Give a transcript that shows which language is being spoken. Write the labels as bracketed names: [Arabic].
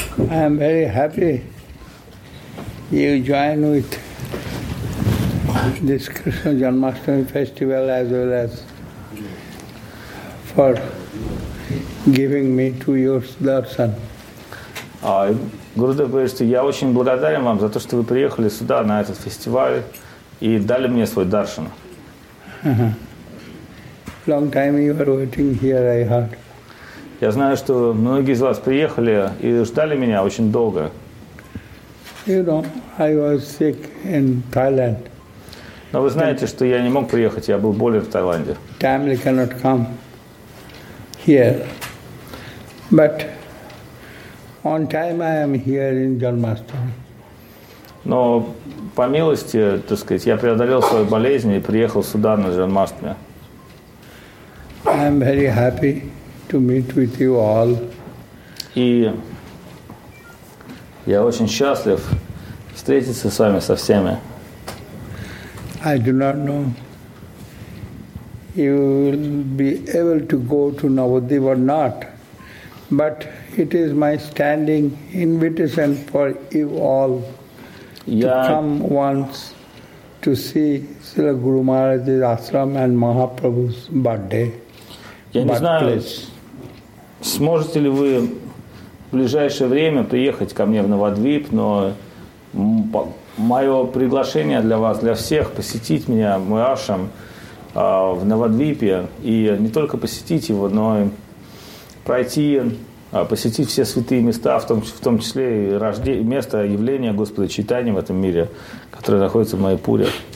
[English] I am very happy you join with this Krishna Janmashtami festival as well as for giving me to your darshan. [Russian] Гурудев говорит, что я очень благодарен вам за то, что вы приехали сюда на этот фестиваль и дали мне свой даршан. [English] Long time you are waiting here, I heard. [Russian] Я знаю, что многие из вас приехали и ждали меня очень долго. [English] You know, I was sick in Thailand. [Russian] Но вы знаете, что я не мог приехать, я был болен в Таиланде. [English] Family cannot come here, but on time I am here in Janmashtami. [Russian] Но по милости, так сказать, я преодолел свою болезнь и приехал сюда на Janmashtami. [English] I am very happy to meet with you all. [Russian] И я очень счастлив встретиться с вами со всеми. [English] I do not know you will be able to go to Navadvip or not. But it is my standing invitation for you all to come once to see Srila Guru Maharaj's ashram and Mahaprabhu's birthday. [Russian] Я не знаю, сможете ли вы в ближайшее время приехать ко мне в Навадвип, но мое приглашение для вас, для всех, посетить меня, мой ашрам, в Навадвипе, и не только посетить его, но и пройти, посетить все святые места, в том числе и место явления Господа Чайтаньи в этом мире, которое находится в Майяпуре.